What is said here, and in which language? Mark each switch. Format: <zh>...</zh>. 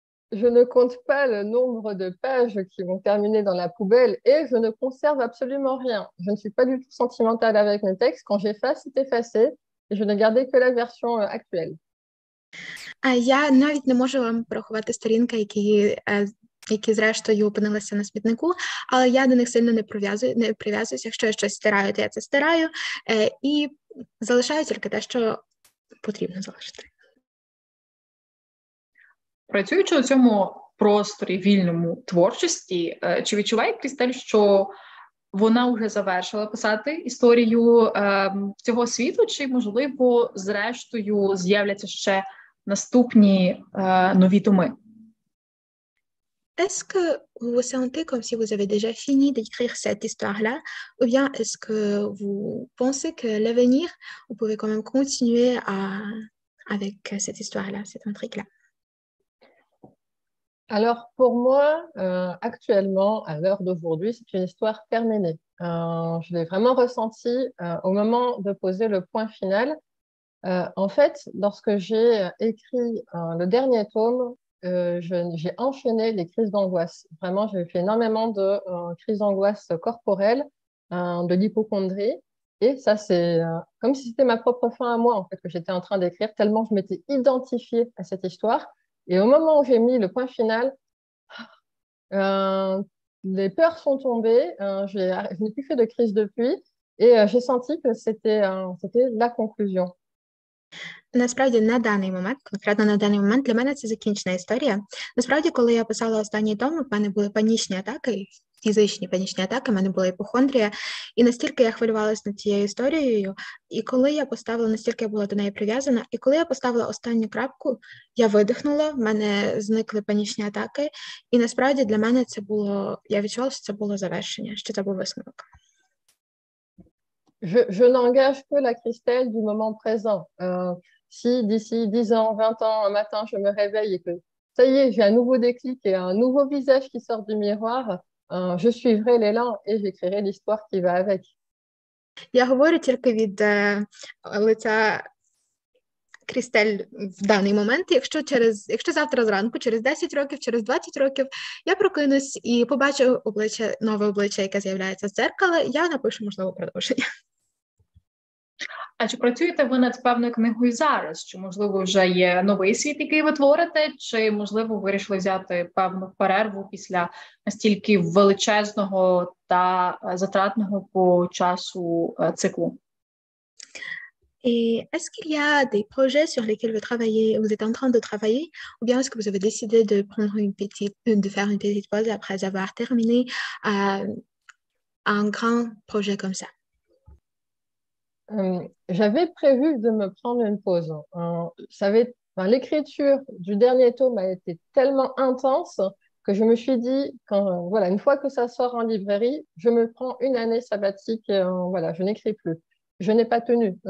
<fr>Je ne compte pas le nombre de pages qui vont terminer dans la poubelle et je ne conserve absolument rien. Je ne suis pas du tout sentimentale avec mes textes. Quand j'efface, c'est effacé et je ne gardais que la version actuelle.</fr> <uk>Я навіть не можу вам порахувати сторінки, які зрештою опинилися на смітнику, але я до них сильно не прив'язуюсь. Якщо я щось стираю, то я це стираю. І залишаю тільки те, що потрібно залишити. Працюючи у цьому просторі вільному творчості, чи відчуває Крістель, що вона вже завершила писати історію цього світу, чи, можливо, зрештою з'являться ще наступні нові томи?</uk> <fr>Est-ce que vous vous sentez comme si vous avez déjà fini d'écrire cette histoire-là, ou bien est-ce que vous pensez que l'avenir, vous pouvez quand même continuer avec cette histoire-là, cette intrigue-là? Alors, pour moi, actuellement, à l'heure d'aujourd'hui, c'est une histoire terminée. Je l'ai vraiment ressenti au moment de poser le point final. En fait, lorsque j'ai écrit le dernier tome, j'ai enchaîné les crises d'angoisse. Vraiment, j'ai fait énormément de crises d'angoisse corporelles, de l'hypocondrie. Et ça, c'est comme si c'était ma propre fin à moi, en fait, que j'étais en train d'écrire, tellement je m'étais identifiée à cette histoire. Et au moment où j'ai mis le point final, les peurs sont tombées, je n'ai plus fait de crise depuis, et j'ai senti que c'était la conclusion.</fr> <uk>Насправді, на даний момент, конкретно на даний момент, для мене це закінчена історія. Насправді, коли я писала останній том, в мене були панічні атаки, фізичні панічні атаки, в мене була іпохондрія, і настільки я хвилювалася над цією історією, і коли я поставила, настільки я була до неї прив'язана, і коли я поставила останню крапку, я видихнула, в мене зникли панічні атаки, і насправді для мене це було, я відчувала, що це було завершення, що це був висновок.</uk> <fr>Je n'engage que la Christelle du moment présent. Si d'ici 10 ans, 20 ans, un matin, je me réveille et que ça y est, j'ai un nouveau déclic et un nouveau visage qui sort du miroir, je suivrai l'élan et j'écrirai l'histoire qui va avec.</fr> <uk>Я говорю тільки від лиця Крістель в даний момент. Якщо завтра зранку, через 10 років, через 20 років, я прокинусь і побачу обличчя, нове обличчя, яке з'являється з дзеркала, я напишу, можливо, продовження. А чи працюєте ви над певною книгою зараз? Чи, можливо, вже є новий світ, який ви творите? Чи, можливо, вирішили взяти певну перерву після настільки величезного та затратного по часу циклу?</uk> <fr>Et est-ce qu'il y a des projets sur lesquels vous travaillez, vous êtes en train de travailler, ou bien est-ce que vous avez décidé de prendre de faire une petite pause après avoir terminé un grand projet comme ça? J'avais prévu de me prendre une pause. L'écriture du dernier tome a été tellement intense que je me suis dit, une fois que ça sort en librairie, je me prends une année sabbatique, je n'écris plus. Je n'ai pas tenu.</fr>